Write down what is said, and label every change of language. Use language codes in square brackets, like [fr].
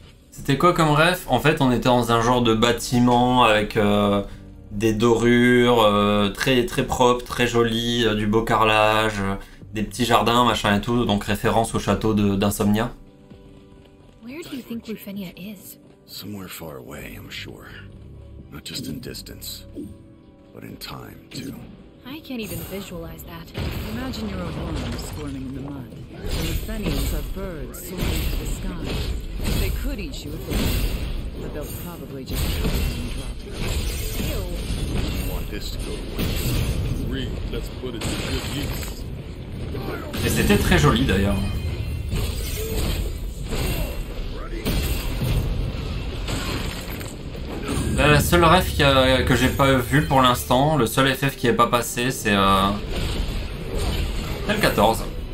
[fr] C'était quoi comme ref? En fait, on était dans un genre de bâtiment avec des dorures très très propres, très jolies, du beau carrelage, des petits jardins, machin et tout. Donc référence au château d'Insomnia. [en] Where do you think Ruffenia is? Somewhere far away, I'm sure. Not just in distance, but in time too. I can't even visualize that. Imagine your own home squirming in the mud, and the Fenians are birds soaring to the sky. They could eat you if they wanted, but they'll probably just kill you and drop you. Ew! You want this to go away? Three, let's put it to good use. [fr] Et c'était très joli d'ailleurs. La seule ref que j'ai pas vu pour l'instant, le seul FF qui est pas passé, c'est le 14.